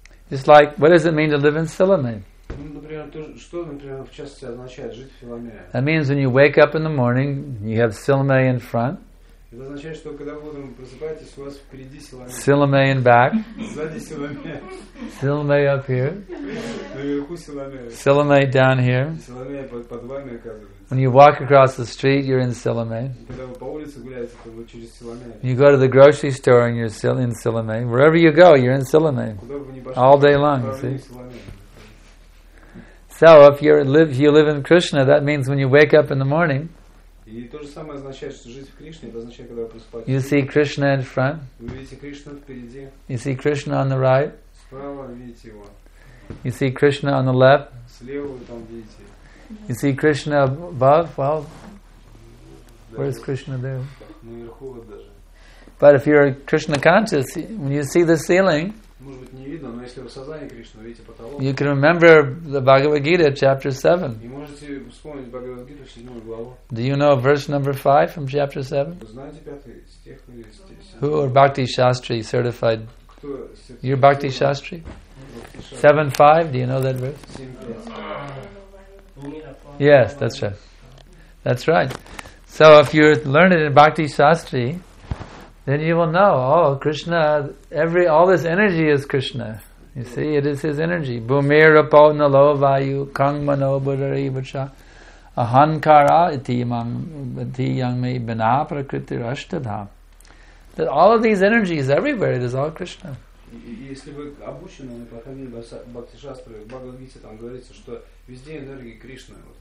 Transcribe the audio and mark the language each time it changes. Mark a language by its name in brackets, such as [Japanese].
[English] It's like, what does it mean to live in Silame? That means when you wake up in the morning, you have Silame in front. [Russian] Это означает, что когда вы утром просыпаетесь, у вас впереди силами. [English] Силами in back. [Russian] Сзади силами. [English] Силами up here. [Russian] Наверху силами. [English] Силами down here. [Russian] Силами под вами оказывается. [English] When you walk across the street, you're in силами. [Russian] Когда вы по улице гуляете, то вы через силами. [English] You go to the grocery store and you're still in силами. Wherever you go, you're in силами. [Russian] Куда бы вы ни пошли. [English] All day long, you see. So if you live, you live in Krishna, that means when you wake up in the morning, [Russian] и то же самое означает, что жить в Кришне, это означает, когда вы просыпаетесь. [English] You see Krishna in front. [Russian] Вы видите Кришну впереди. [English] You see Krishna on the right. [Russian] Справа видите его. [English] You see Krishna on the left. [Russian] Слева вы там видите. [English] You see Krishna above. Well, [Russian] да, [English] where is Krishna there? [Russian] Наверху вот даже. [English] But if you're Krishna conscious, when you see the ceiling, [Russian] может быть не видно, но если вы в сознании Кришны, вы видите потолок. [English] You can remember the Bhagavad Gita, chapter 7. [Russian] И можете вспомнить Бхагавад Гиту, 7 главу. [English] Do you know verse number 5 from chapter 7? [Russian] Знаете пятый стих? [English] Who are Bhakti Shastri certified? You're Bhakti Shastri? 7-5, do you know that verse? 7-5. Yes, that's right. That's right. So if you learn it in Bhakti Shastri, then you will know, oh, Krishna, all this energy is Krishna. You see, it is his energy. [Sanskrit] Bhumirapo nalovayu kangmano budari vacha ahankara iti yangme bina prakriti rashtadha. [English] That all of these energies everywhere, it is all Krishna. [Russian] Если вы обучены, вы проходили Бхакти-шастры, в Бхагавад-гите там говорится, что везде энергии Кришны.